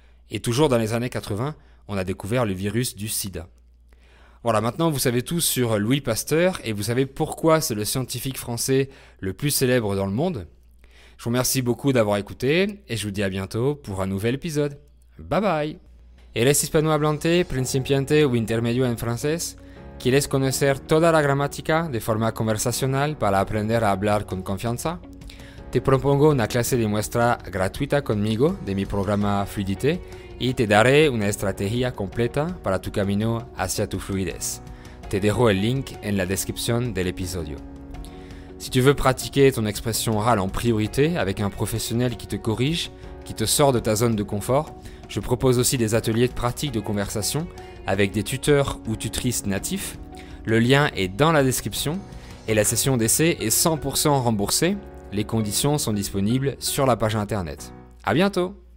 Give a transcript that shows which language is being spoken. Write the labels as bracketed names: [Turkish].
[French] Et toujours dans les années 80, on a découvert le virus du sida. Voilà, maintenant vous savez tout sur Louis Pasteur et vous savez pourquoi c'est le scientifique français le plus célèbre dans le monde. Je vous remercie beaucoup d'avoir écouté et je vous dis à bientôt pour un nouvel épisode. Bye bye! [Spanish] Eres hispano hablante, principiante [Portuguese] ou [Spanish] intermedio en francés? Quieres conocer toda la gramática de forma conversacional para aprender a hablar con confianza? Te propongo una clase de muestra gratuita conmigo de mi programa Fluidité. Y te daré una estrategia completa para tu camino hacia tu fluidez. Te dejo el link en la descripción del episodio. [French] Si tu veux pratiquer ton expression orale en priorité avec un professionnel qui te corrige, qui te sort de ta zone de confort, je propose aussi des ateliers de pratique de conversation avec des tuteurs ou tutrices natifs. Le lien est dans la description et la session d'essai est 100% remboursée. Les conditions sont disponibles sur la page internet. À bientôt !